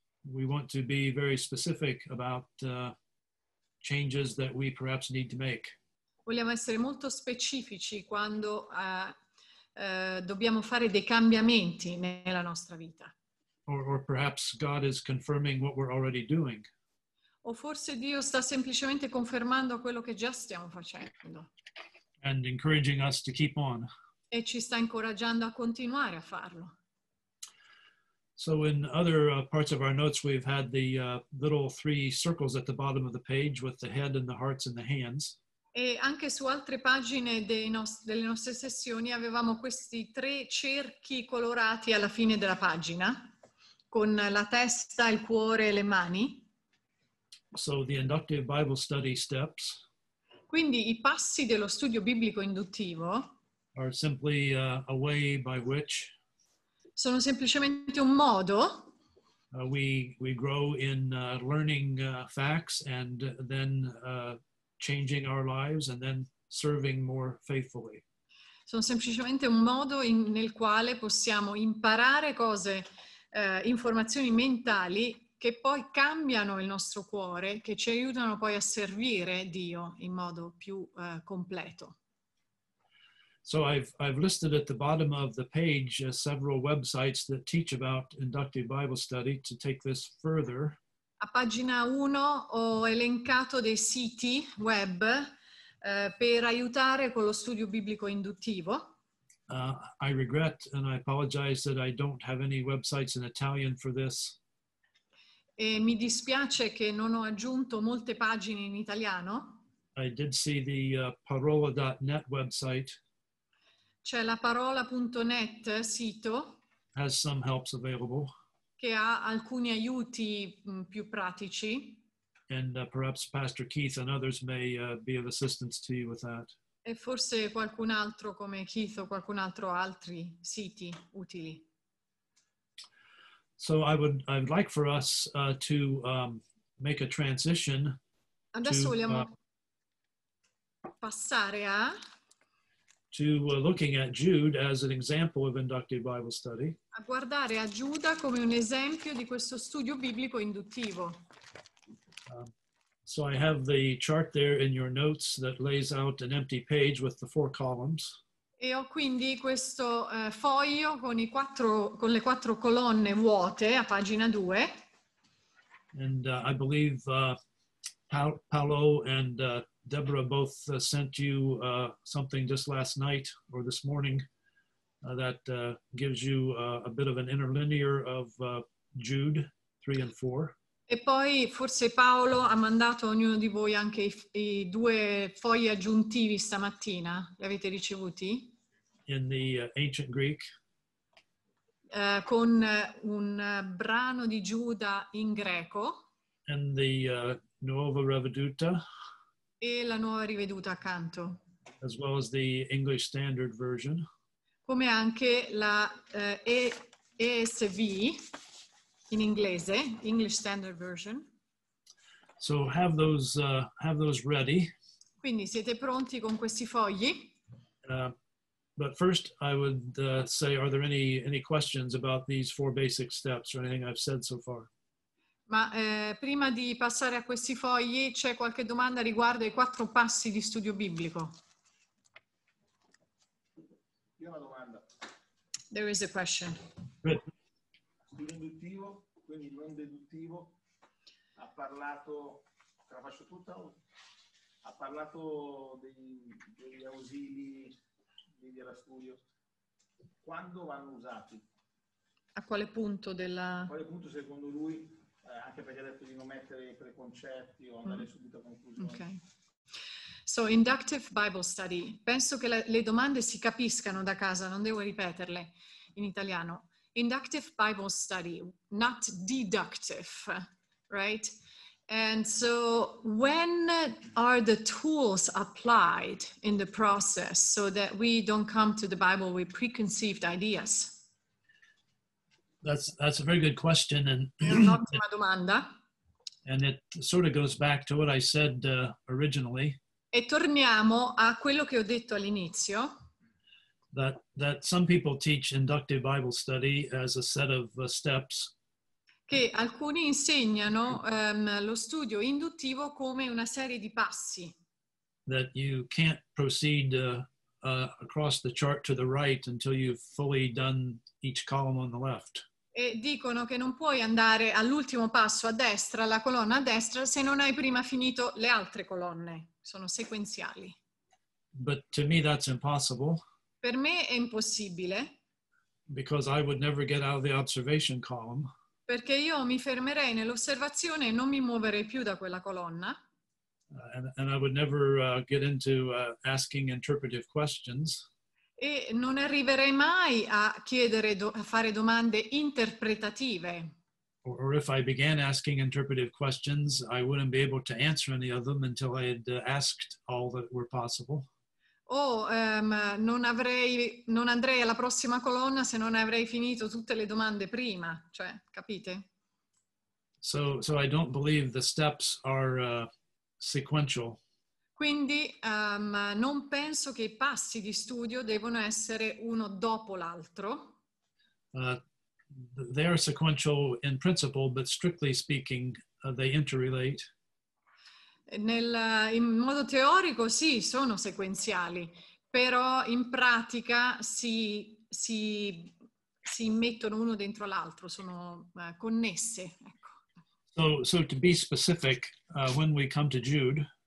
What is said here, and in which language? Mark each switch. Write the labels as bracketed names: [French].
[English] We want to be very specific about changes that we perhaps need to make. [Italian] Vogliamo essere molto specifici quando dobbiamo fare dei cambiamenti nella nostra vita. [English] Or perhaps God is confirming what we're already doing. [Italian] O forse Dio sta semplicemente confermando quello che già stiamo facendo. [English] And encouraging us to keep on. [Italian] E ci sta incoraggiando a continuare a farlo. [English] So in other parts of our notes we've had the little three circles at the bottom of the page with the head and the hearts and the hands. [Italian] E anche su altre pagine delle nostre sessioni avevamo questi tre cerchi colorati alla fine della pagina con la testa, il cuore e le mani. [English] So the inductive Bible study steps. [Italian] Quindi i passi dello studio biblico induttivo [English] are simply a way by which [Italian] sono semplicemente un modo [English] we grow in learning facts and then changing our lives and then serving more faithfully. [Italian] Sono semplicemente un modo nel quale possiamo imparare cose, informazioni mentali che poi cambiano il nostro cuore, che ci aiutano poi a servire Dio in modo più completo. [English] So I've listed at the bottom of the page several websites that teach about inductive Bible study to take this further. [Italian] A pagina 1 ho elencato dei siti web per aiutare con lo studio biblico induttivo. [English] I regret and I apologize that I don't have any websites in Italian for this. [Italian] E mi dispiace che non ho aggiunto molte pagine in italiano. [English] I did see the parola.net website. [Italian] C'è la parola.net sito. [English] Has some helps available. [Italian] Che ha alcuni aiuti più pratici. [English] And perhaps Pastor Keith and others may be of assistance to you with that. [Italian] E forse qualcun altro come Keith o qualcun altro altri siti utili. [English] So I would like for us to make a transition. [Italian] Adesso vogliamo passare a [English] to looking at Jude as an example of inductive Bible study. [Italian] A guardare a Giuda come un esempio di questo studio biblico induttivo. [English] So I have the chart there in your notes that lays out an empty page with the four columns. [Italian] E ho quindi questo foglio con i quattro con le quattro colonne vuote a pagina 2. [English] And I believe Paolo and Deborah both sent you something just last night or this morning that gives you a bit of an interlinear of Jude 3 and 4. [Italian] E poi forse Paolo ha mandato a ognuno di voi anche i due fogli aggiuntivi stamattina. Li avete ricevuti? [English] In the ancient Greek. [Italian] Con un brano di Giuda in greco. [English] And the Nuova Riveduta. [Italian] E la Nuova Riveduta accanto. [English] As well as the English Standard Version. [Italian] Come anche la ESV. In inglese, English Standard Version. [English] So have those ready. [Italian] Quindi siete pronti con questi fogli? [English] But first I would say, are there any questions about these four basic steps or anything I've said so far? [Italian] Ma prima di passare a questi fogli, c'è qualche domanda riguardo ai quattro passi di studio biblico? Io ho una domanda. [English] There is a question. [Italian] Induttivo. Quindi il non deduttivo ha parlato, te la faccio tutta, ha parlato degli ausili di studio. Quando vanno usati? A quale punto della... A quale punto secondo lui, anche perché ha detto di non mettere i preconcetti o andare subito a conclusione. [English] Ok. So, inductive Bible study. [Italian] Penso che le domande si capiscano da casa, non devo ripeterle in italiano. [English] Inductive Bible study, not deductive, right? And so when are the tools applied in the process so that we don't come to the Bible with preconceived ideas? That's a very good question. And [Italian] un'ottima domanda. [English] And it sort of goes back to what I said originally. [Italian] E torniamo a quello che ho detto all'inizio. [English] That some people teach inductive Bible study as a set of steps. [Italian] Che alcuni insegnano lo studio induttivo come una serie di passi. [English] That you can't proceed across the chart to the right until you've fully done each column on the left. [Italian] E dicono che non puoi andare all'ultimo passo a destra, la colonna a destra, se non hai prima finito le altre colonne. Sono sequenziali. [English] But to me that's impossible. [Italian] Per me è impossibile. [English] Because I would never get out of the observation column. [Italian] Perché io mi fermerei nell'osservazione e non mi muoverei più da quella colonna. [English] And I would never get into asking interpretive questions. [Italian] E non arriverei mai a chiedere a fare domande interpretative. [English] Or if I began asking interpretive questions, I wouldn't be able to answer any of them until I had asked all that were possible. [Italian] Non andrei alla prossima colonna se non avrei finito tutte le domande prima, cioè, capite? [English] So I don't believe the steps are sequential. [Italian] Quindi non penso che i passi di studio devono essere uno dopo l'altro. [English] They are sequential in principle, but strictly speaking, they interrelate. [Italian] In modo teorico sì, sono sequenziali, però in pratica si mettono uno dentro l'altro, sono connesse. Ecco. [English] So to be specific, when we come to Jude.